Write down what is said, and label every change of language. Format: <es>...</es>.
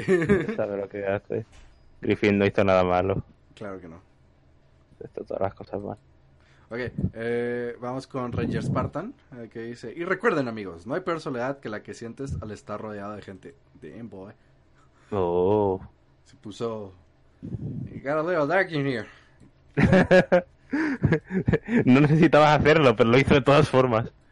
<es>Él sabe lo que hace. Griffin no hizo nada malo. Claro que no. Esto, todas las cosas mal. Ok, vamos con Ranger Spartan, que dice... Y recuerden, amigos, no hay peor soledad que la que sientes al estar rodeado de gente.</es> <en>Damn, boy. Oh.</en> <es>Se puso...</es> <en>You got a little dark in here.</en> <es>No necesitabas hacerlo, pero lo hizo de todas formas.</es>